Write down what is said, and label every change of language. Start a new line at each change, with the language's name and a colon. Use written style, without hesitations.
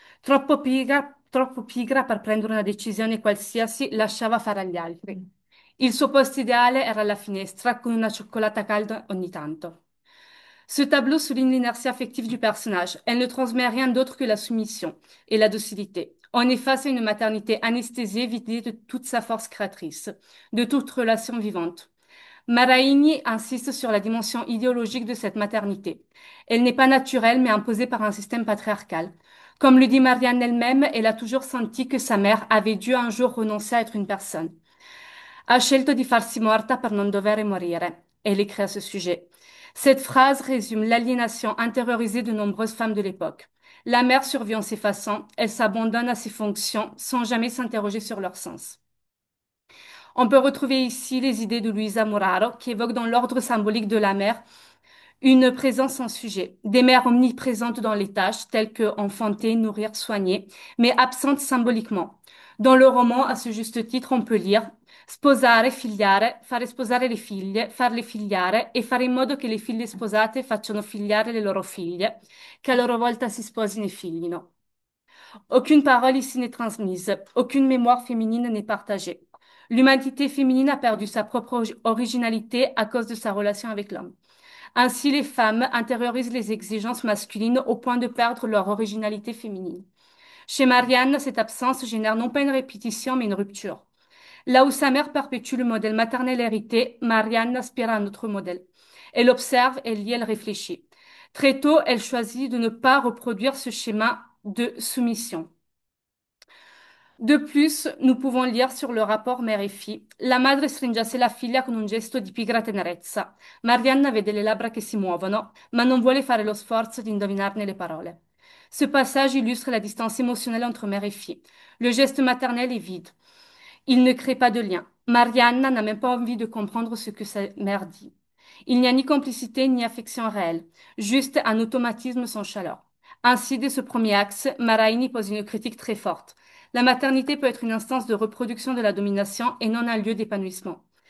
Italian: Troppo pigra per prendere una decisione qualsiasi, lasciava fare agli altri. Il suo posto ideale era alla finestra, con una cioccolata calda ogni tanto.
French: Ce tableau souligne l'inertie affective du personnage. Elle ne transmet rien d'autre que la soumission et la docilité. On est face à une maternité anesthésiée, vidée de toute sa force créatrice, de toute relation vivante. Maraini insiste sur la dimension idéologique de cette maternité. Elle n'est pas naturelle, mais imposée par un système patriarcal. Comme le dit Marianne elle-même, elle a toujours senti que sa mère avait dû un jour renoncer à être une personne.
Italian: Ha scelto di farsi morta per non dover morire,
French: elle écrit à ce sujet. Cette phrase résume l'aliénation intériorisée de nombreuses femmes de l'époque. La mère survit en s'effaçant, elle s'abandonne à ses fonctions sans jamais s'interroger sur leur sens. On peut retrouver ici les idées de Luisa Muraro qui évoque dans l'ordre symbolique de la mère une présence sans sujet, des mères omniprésentes dans les tâches telles que enfanter, nourrir, soigner, mais absentes symboliquement. Dans le roman, à ce juste titre, on peut lire
Italian: Sposare, figliare, fare sposare le figlie, farle figliare e fare in modo che le figlie sposate facciano figliare le loro figlie, che a loro volta si sposino e figlino.
French: Aucune parole ici n'est transmise, aucune mémoire féminine n'est partagée. L'humanité féminine a perdu sa propre originalité à cause de sa relation avec l'homme. Ainsi, les femmes intériorisent les exigences masculines au point de perdre leur originalité féminine. Chez Marianne, cette absence génère non pas une répétition, mais une rupture. Là où sa mère perpétue le modèle maternel hérité, Marianne aspire à un autre modèle. Elle observe, elle lit, elle réfléchit. Très tôt, elle choisit de ne pas reproduire ce schéma de soumission. De plus, nous pouvons lire sur le rapport mère et fille.
Italian: La madre stringesse la figlia con un gesto di pigra tenerezza. Marianne vede le labbra che si muovono, ma non vuole fare lo sforzo di indovinarne le parole.
French: Ce passage illustre la distance émotionnelle entre mère et fille. Le geste maternel est vide. Il ne crée pas de lien. Marianna n'a même pas envie de comprendre ce que sa mère dit. Il n'y a ni complicité ni affection réelle, juste un automatisme sans chaleur. Ainsi, dès ce premier axe, Maraini pose une critique très forte. La maternité peut être une instance de reproduction de la domination et non un lieu d'épanouissement.